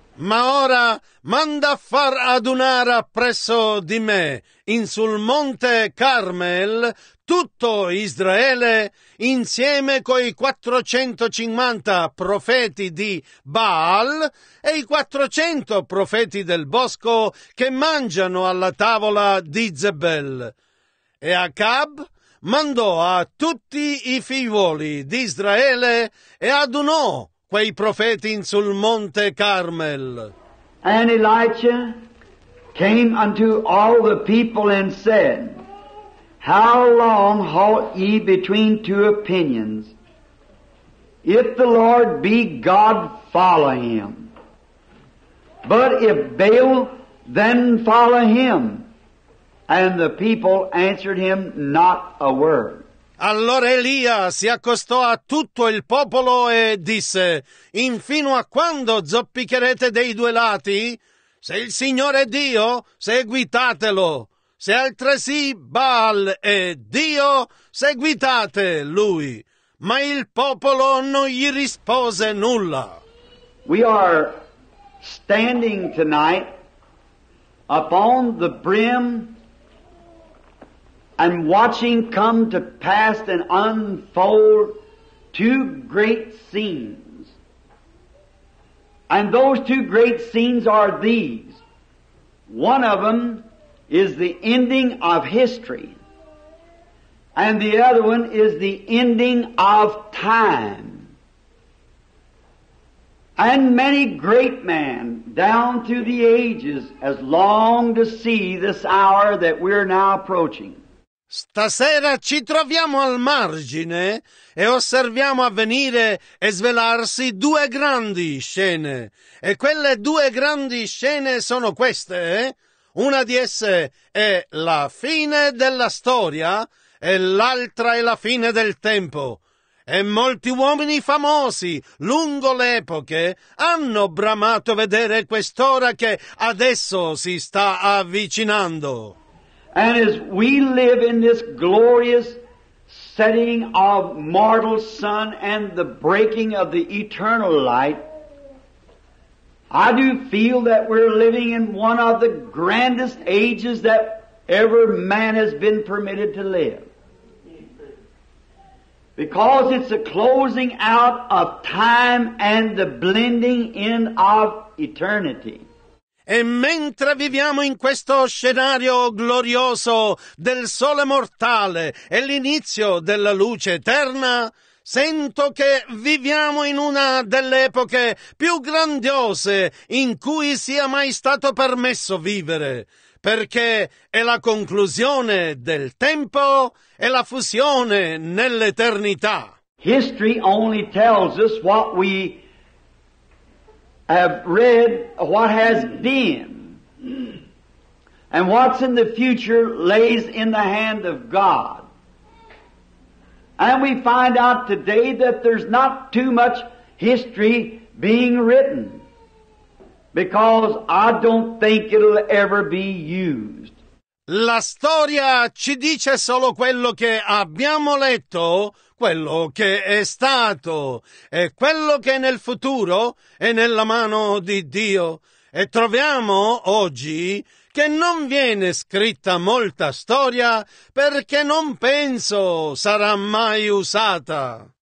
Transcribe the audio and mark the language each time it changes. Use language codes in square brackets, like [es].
[it] Ma ora manda far adunare presso di me, in sul monte Carmel, tutto Israele, insieme coi 450 profeti di Baal e i 400 profeti del bosco che mangiano alla tavola di Zebel. E Acab mandò a tutti i figliuoli di Israele e adunò quei profeti in sul monte Carmel. [en] And Elijah came unto all the people and said, How long halt ye between two opinions? If the Lord be God, follow him. But if Baal, then follow him. And the people answered him not a word. [it] Allora Elia si accostò a tutto il popolo e disse, Infino a quando zoppicherete dei due lati? Se il Signore è Dio, seguitatelo. Se altresì Baal è Dio, seguitate lui. Ma il popolo non gli rispose nulla. [en] We are standing tonight upon the brim and watching come to pass and unfold two great scenes. And those two great scenes are these. One of them is the ending of history, and the other one is the ending of time. And many great men down through the ages has longed to see this hour that we're now approaching. [it] Stasera ci troviamo al margine e osserviamo avvenire e svelarsi due grandi scene, e quelle due grandi scene sono queste, Una di esse è la fine della storia e l'altra è la fine del tempo. E molti uomini famosi lungo le epoche hanno bramato vedere quest'ora che adesso si sta avvicinando. [en] And as we live in this glorious setting of mortal sun and the breaking of the eternal light, I do feel that we're living in one of the grandest ages that ever man has been permitted to live. Because it's a closing out of time and the blending in of eternity. [it] E mentre viviamo in questo scenario glorioso del sole mortale e l'inizio della luce eterna, sento che viviamo in una delle epoche più grandiose in cui sia mai stato permesso vivere, perché è la conclusione del tempo e la fusione nell'eternità. [en] History only tells us what we have read, what has been, and what's in the future lays in the hand of God. And we find out today that there's not too much history being written, because I don't think it'll ever be used. [it] La storia ci dice solo quello che abbiamo letto, quello che è stato e quello che nel futuro è nella mano di Dio. E troviamo oggi che non viene scritta molta storia perché non penso sarà mai usata.